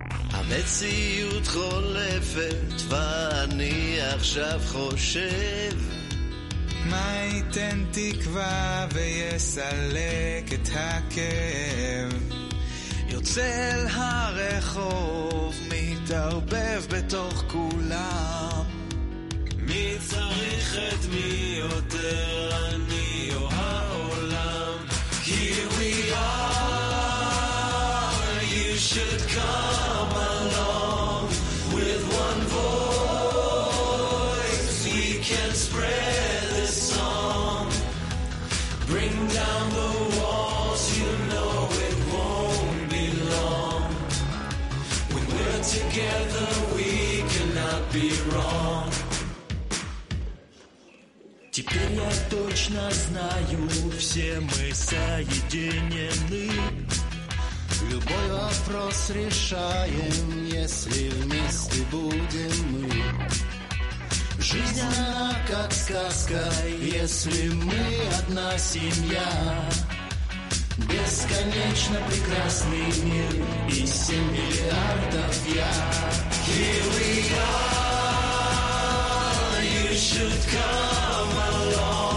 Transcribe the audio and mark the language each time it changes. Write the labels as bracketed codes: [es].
[he] המציאות חולפת ואני עכשיו חושב מה ייתן תקווה ויסלק את הכאב יוצא אל הרחוב מתערבב בתוך כולם מי צריך את מי יותר אני או העולם [en] Here we are You should come along With one voice We can spread this song Bring down the walls You know it won't be long When we're together We cannot be wrong [ru] Теперь я точно знаю, все мы соединены. Любой вопрос решаем, если вместе будем мы. Жизнь она как сказка, если мы одна семья. Бесконечно прекрасный мир и 7 миллиардов я. [en] Here we are, you should come.